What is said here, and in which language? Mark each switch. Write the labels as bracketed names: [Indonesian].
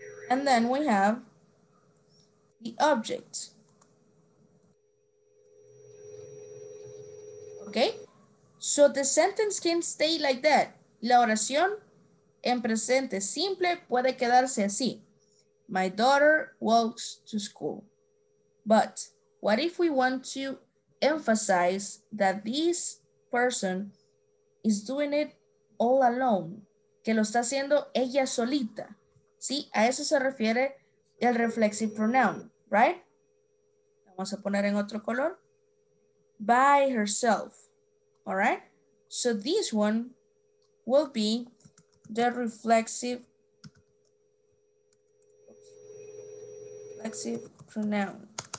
[English] And then we have the object. Okay? So the sentence can stay like that. [Spanish] La oración en presente simple puede quedarse así. [English] My daughter walks to school. But what if we want to emphasize that this person is doing it all alone, [Spanish] que lo está haciendo ella solita. ¿Sí? A eso se refiere el reflexive pronoun, right? Vamos a poner en otro color. [English] By herself, all right? So this one will be the reflexive pronoun.